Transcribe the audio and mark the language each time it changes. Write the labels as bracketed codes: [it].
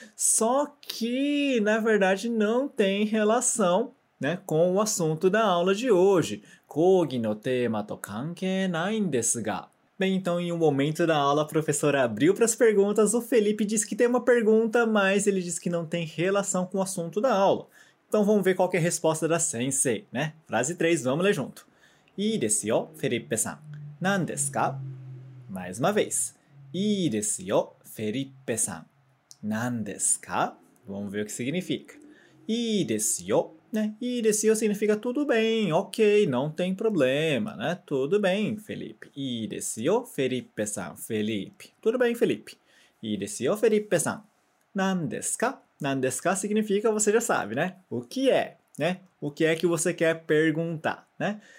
[pt] Só que, na verdade, não tem relação, né, com o assunto da aula de hoje. [ja] Kōgi no tema to kankei nai n desu ga. [pt] Bem, então, em um momento da aula, a professora abriu para as perguntas, o Felipe disse que tem uma pergunta, mas ele disse que não tem relação com o assunto da aula. Então, vamos ver qual que é a resposta da sensei, né? Frase 3, vamos ler junto. [ja] いいですよ、フェリッペさん。なんですか? [pt] Mais uma vez. [ja] いいですよ、フェリッペさん。なんですか? [pt] Vamos ver o que significa. [ja] いいですよ、ね、いいですよ [pt] significa tudo bem, ok, não tem problema, né? Tudo bem, Felipe. [ja] いいですよ、フェリッペさん、フェリッペ。 [pt] Tudo bem, Felipe. [ja] いいですよ、フェリッペさん。なんですか? なんですか [pt] significa, você já sabe, né? O que é, né? O que é que você quer perguntar, né?